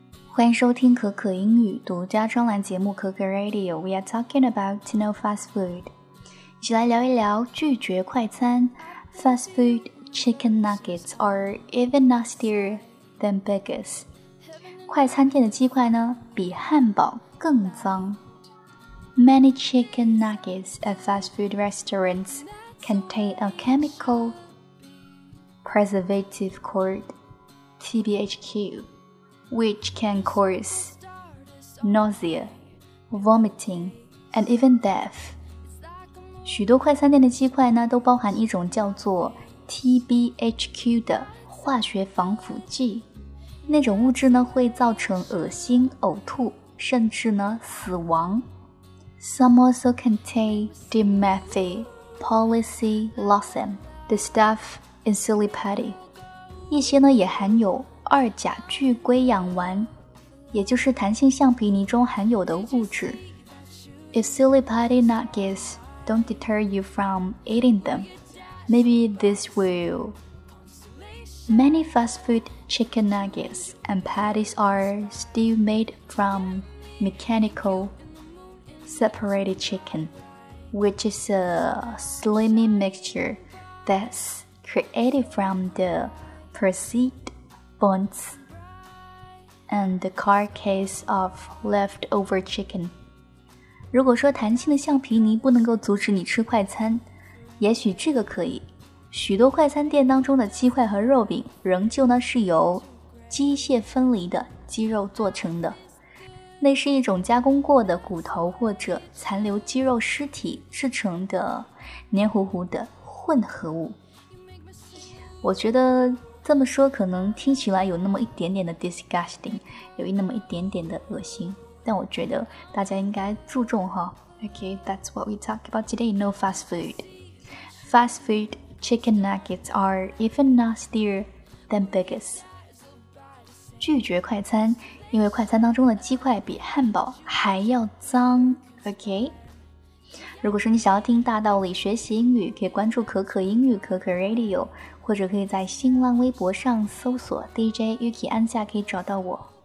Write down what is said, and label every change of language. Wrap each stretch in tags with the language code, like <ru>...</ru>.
<zh>欢迎收听可可英语独家专栏节目可可 Radio.</zh> <en>We are talking about no fast food.</en> <zh>一起来聊一聊拒绝快餐</zh> <en>Fast food chicken nuggets are even nastier than burgers.</en> <zh>快餐店的鸡块呢比汉堡更脏。</zh> <en>Many chicken nuggets at fast food restaurants contain a chemical preservative called TBHQ, which can cause nausea, vomiting, and even death.</en> <zh>许多快餐店的鸡块呢都包含一种叫做 TBHQ 的化学防腐剂。那种物质呢会造成恶心、呕吐，甚至呢死亡。</zh> <en>Some also contain dimethylpolysiloxane, the stuff in silly putty.</en> <zh>一些呢也含有二甲聚硅氧烷，也就是弹性橡皮泥中含有的物质。</zh> <en>If silly putty nuggets don't deter you from eating them, maybe this will. Many fast food chicken nuggets and patties are still made from mechanical separated chicken, which is a slimy mixture that's created from the proceed bones and the carcass of leftover chicken.</en> <zh>如果说弹性的橡皮泥不能够阻止你吃快餐，也许这个可以。许多快餐店当中的鸡块和肉饼仍旧呢是由机械分离的鸡肉做成的。那是一种加工过的骨头或者残留肌肉尸体制成的黏糊糊的混合物。我觉得这么说可能听起来有那么一点点的 disgusting, 有那么一点点的恶心，但我觉得大家应该注重哈。</zh> <en>Okay, that's what we talk about today, no fast food. Fast food chicken nuggets are even nastier than burgers.</en> <zh>拒绝快餐，因为快餐当中的鸡块比汉堡还要脏。 OK, 如果说你想要听大道理学习英语，可以关注可可英语可可 Radio, 或者可以在新浪微博上搜索 DJ Yuki 安夏，可以找到我。</zh>